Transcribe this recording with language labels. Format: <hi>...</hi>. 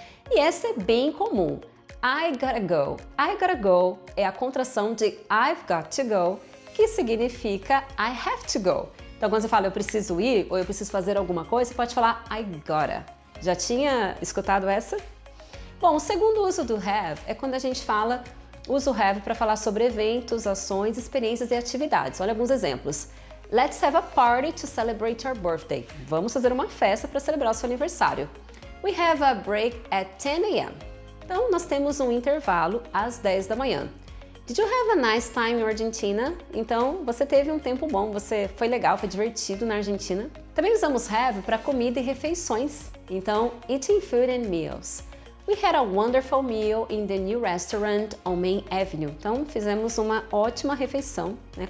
<pt>E essa é bem comum.</pt> <en>I gotta go. I gotta go</en> <pt>é a contração de</pt> <en>I've got to go,</en> <pt>que significa</pt> <en>I have to go.</en> <pt>Então, quando você fala eu preciso ir ou eu preciso fazer alguma coisa, você pode falar</pt> <en>I gotta.</en> <pt>Já tinha escutado essa? Bom, o segundo uso do have é quando a gente fala, usa o have para falar sobre eventos, ações, experiências e atividades. Olha alguns exemplos.</pt> <en>Let's have a party to celebrate our birthday.</en> <pt>Vamos fazer uma festa para celebrar o seu aniversário.</pt> <en>We have a break at 10 a.m.</en> <pt>Então, nós temos um intervalo às 10 da manhã.</pt> <en>Did you have a nice time in Argentina?</en> <pt>Então, você teve um tempo bom, você foi legal, foi divertido na Argentina. Também usamos have para comida e refeições. Então,</pt> <en>eating food and meals. We had a wonderful meal in the new restaurant on Main Avenue.</en> <pt>Então, fizemos uma ótima refeição, né?</pt>